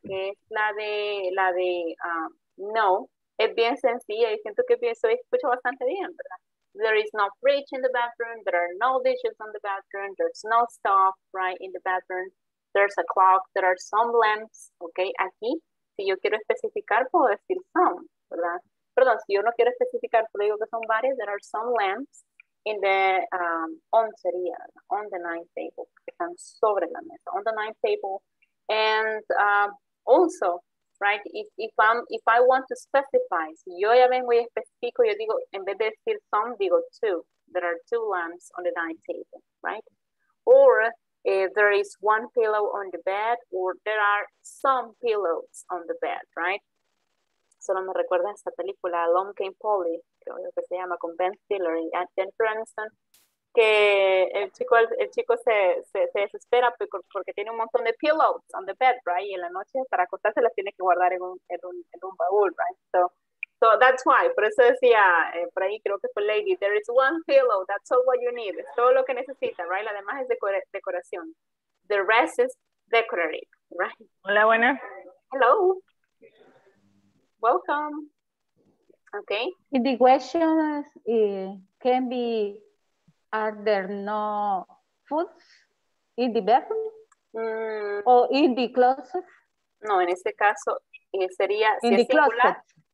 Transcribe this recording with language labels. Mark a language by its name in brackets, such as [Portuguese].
[Spanish] Que es la de no, es bien sencilla y siento que pienso, escucho bastante bien, ¿verdad? [English] There is no fridge in the bathroom, there are no dishes in the bathroom, there's no stuff, right, in the bathroom, there's a clock, there are some lamps, okay. [Spanish] Aquí, si yo quiero especificar, puedo decir some, ¿verdad? Perdón, si yo no quiero especificar, pero digo que son varias, [English] there are some lamps in the, [Spanish] on sería, [English] on the night table, [Spanish] que están sobre la mesa, on the night table. [English] And also, right, if I want to specify, [Spanish] si yo ya vengo y especifico, yo digo, en vez de decir [English] some, digo two, there are two lamps on the night table, right? Or there is one pillow on the bed, or there are some pillows on the bed, right? [Spanish] Solo me recuerda esta película, Along Came Polly, creo que se llama, con Ben Stiller y Jennifer Aniston, que el chico se desespera porque tiene un montón de [English] pillows on the bed, [Spanish] right? Y en la noche, para acostarse, las tiene que guardar en un baúl, right? So, [English] So that's why, [Spanish] por eso decía, por ahí creo que fue Lady, [English] there is one pillow, that's all what you need, [Spanish] es todo lo que necesita, [English] right? [Spanish] Además es decoración. [English] The rest is decorative, right? [Spanish] Hola, buena. [English] Hello. Welcome. Okay. In the questions, can be, are there no foods in the bathroom? Mm. Or in the closet? [Spanish] No, en este caso sería, si es singular.